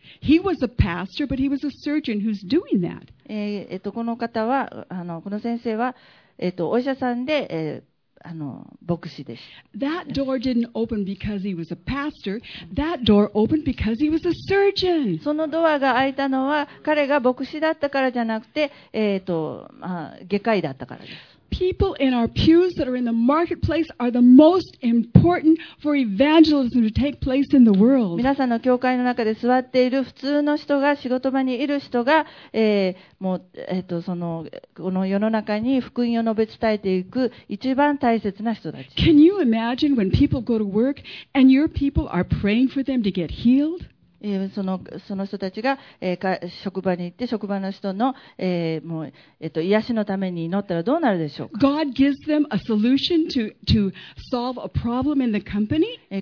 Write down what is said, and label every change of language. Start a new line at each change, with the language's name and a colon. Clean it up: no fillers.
English: He was a pastor, but he was a surgeon who's doing that.
Japanese: この方は、この先生は、お医者さんで、牧師です。
English: That door didn't open because he was a pastor. That door opened because he was a surgeon.
Japanese: そのドアが開いたのは彼が牧師だったからじゃなくて、外科医だったからです。
English: People in our pews that are in the marketplace are the most important for evangelism to take place in the world.
Japanese: 皆さんの教会の中で座っている普通の人が、仕事場にいる人が、この世の中に福音を述べ伝えていく一番大切な人たち。
English: Can you imagine when people go to work and your people are praying for them to get healed?
Japanese: その人たちが、職場に行って職場の人の、もう、癒しのために祈ったらどうなるでしょうか。
English: God gives them a solution to solve a problem in the company?